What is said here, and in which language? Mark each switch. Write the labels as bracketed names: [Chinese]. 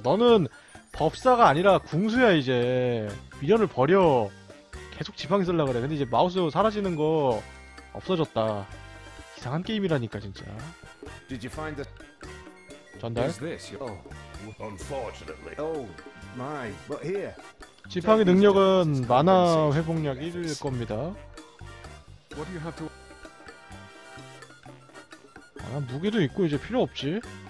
[Korean] 너는 법사가 아니라 궁수야 이제. 미련을 버려. 계속 지팡이 쓰려 그래. 근데 이제 마우스 사라지는 거 없어졌다. 이상한 게임이라니까 진짜. [English] Did you find the 전달? Oh, unfortunately. Oh my. But here. [Korean] 지팡이 능력은 만화 회복약 1일 겁니다. 아, 무기도 있고 이제 필요 없지.